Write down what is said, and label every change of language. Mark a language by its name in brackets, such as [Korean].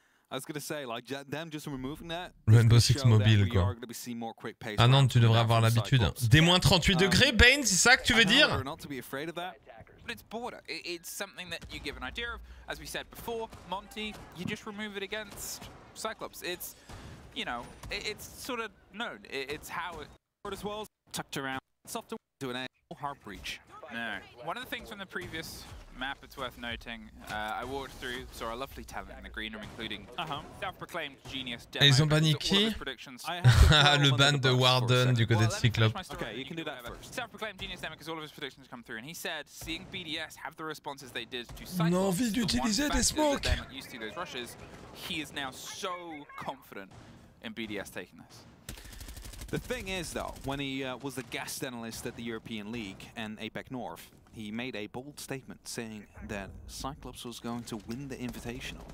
[English] I was gonna say, like, them just removing that. [French] Rainbow Six Mobile, quoi. Ah non, tu devrais avoir l'habitude. Des moins 38 degrés, Bane, c'est ça que tu veux dire? [English] But it's border. It's something that you give an idea of. As we said before, Monty, you just remove it against Cyclops. It's, you know, it's sort of known. It's how it as well. Tucked around. Soft to an angle. Hard breach. No. One of the things from the previous map it's worth noting, I walked through, saw a lovely talent in the green room, including self-proclaimed genius. [French] Et ils ont banni qui? Le ban de Warden du côté de Cyclope. [English] Okay, you can do that first. Self-proclaimed genius demo, because all of his predictions come through, and he said, seeing BDS have the responses they did to Cyclops, the one used to those rushes, he is now so confident in BDS taking this. The thing is, though, when he was a guest analyst at the European League and APEC North, he made a bold statement saying that Cyclops was going to win the Invitational.